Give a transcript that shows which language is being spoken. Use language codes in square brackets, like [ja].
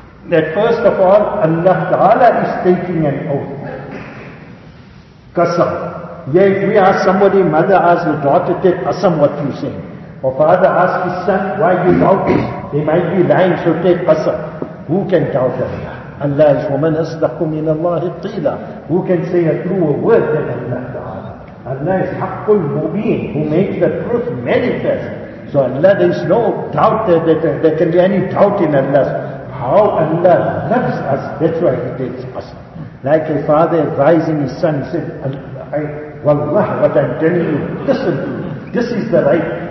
[en] That first of all, Allah Ta'ala is taking an oath. Qasam. Yeah, if we ask somebody, mother asks the daughter, take qasam what you say. Or father asks his son, why you doubt? They might be lying, so take qasam. Who can doubt Allah? Allah is [ar] وَمَنْ أَصْدَقُ مِنَ اللَّهِ قِيلًا. [en] Who can say a truer word than Allah Ta'ala? Allah is [ar] حَقُّ الْمُبِينَ, [en] who makes the truth manifest. So Allah, there is no doubt that there can be any doubt in Allah. How Allah loves us, that's why He takes us. Like a father advising his son, he said, Wallah, what I'm telling you, listen to me. This is the right.